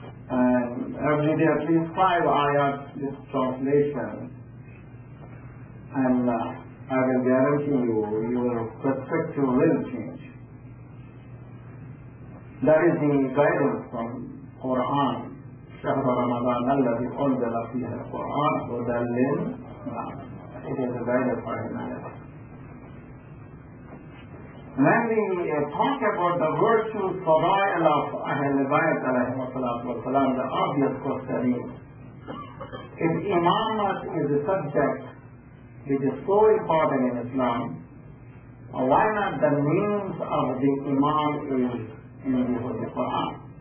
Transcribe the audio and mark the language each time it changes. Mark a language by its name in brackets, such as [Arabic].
[English] And every day at least 5 ayahs, this translation, and I will guarantee you, your perspective will change. That is the guidance from Quran. [Arabic] شهر رمضان الذي أنزل فيه القرآن هدى للناس. [English] It is a guidance for humanity. When we talk about the virtue fadail of Ahl al-Bayt alayhi wasallatu wasalam, the obvious question is, if Imamat is a subject which is so important in Islam, why not the names of the Imam is in the Holy Quran?